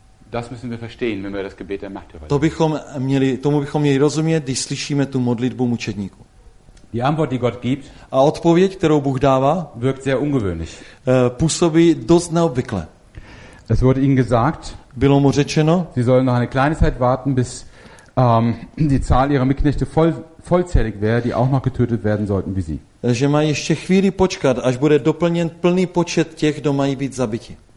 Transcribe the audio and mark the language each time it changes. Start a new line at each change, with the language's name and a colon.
German: Das müssen wir verstehen, wenn wir das Gebet der Märtyrer.
Czech: Tomu bychom měli rozumět, když slyšíme tu modlitbu mučedníků.
German: Die Antwort, die Gott gibt,
Czech: a odpověď, kterou Bůh dává,
German: wirkt sehr ungewöhnlich.
Czech: Působí dost neobvykle.
German: Es wurde ihnen gesagt,
Czech: bylo mu řečeno,
German: sie sollen noch eine kleine Zeit warten, bis die Zahl ihrer Mitknechte vollzählig wäre, die auch noch getötet werden sollten wie sie.
Czech: Že mají ještě chvíli počkat, až bude doplněn plný počet těch, kdo mají být zabiti.